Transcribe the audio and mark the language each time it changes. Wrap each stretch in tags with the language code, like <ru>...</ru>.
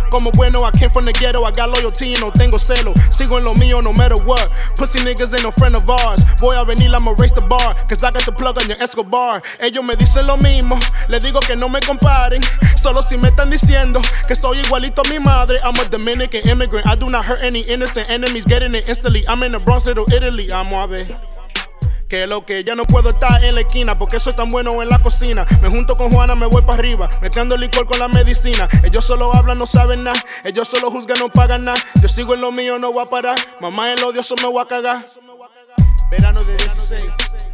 <es>Como bueno,</es> <en>I came from the ghetto. I got loyalty and</en> <es>no tengo celo. Sigo en lo mío</es> <en>no matter what. Pussy niggas ain't no friend of ours.</en> <es>Voy a venir,</es> <en>I'ma race the bar. Cause I got the plug on your Escobar.</en> <es>Ellos me dicen lo mismo. Le digo que no me comparen. Solo si me están diciendo que soy igualito a mi madre.</es> <en>I'm a Dominican immigrant. I do not hurt any innocent enemies. Getting it instantly. I'm in the Bronx, little Italy. I'm Mave.</en> <es>Que lo que ya no puedo estar en la esquina, porque soy tan bueno en la cocina. Me junto con Juana, me voy pa' arriba, mezclando licor con la medicina. Ellos solo hablan, no saben nada. Ellos solo juzgan, no pagan nada. Yo sigo en lo mío, no voy a parar. Mamá, el odioso me voy a cagar. Verano de 16.</es>